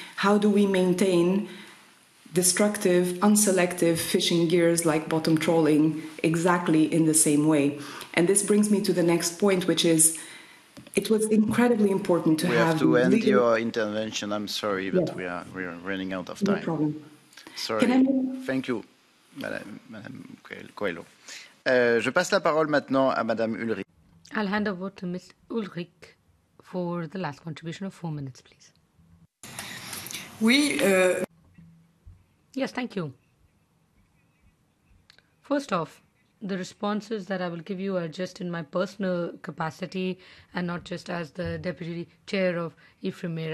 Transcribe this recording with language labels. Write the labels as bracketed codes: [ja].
[en] How do we maintain destructive, unselective fishing gears like bottom trawling exactly in the same way? And this brings me to the next point, which is, it was incredibly important to have... We have to end your intervention. I'm sorry, but yes, we are running out of time. No problem. Sorry. Thank you, Madame Coelho. [fr] Je passe la parole maintenant à Madame Ulrich. [en] I'll hand over to Ms. Ulrich for the last contribution of 4 minutes, please. [fr] Oui. [en] Yes, thank you. First off, the responses that I will give you are just in my personal capacity and not just as the deputy chair of IFREMER.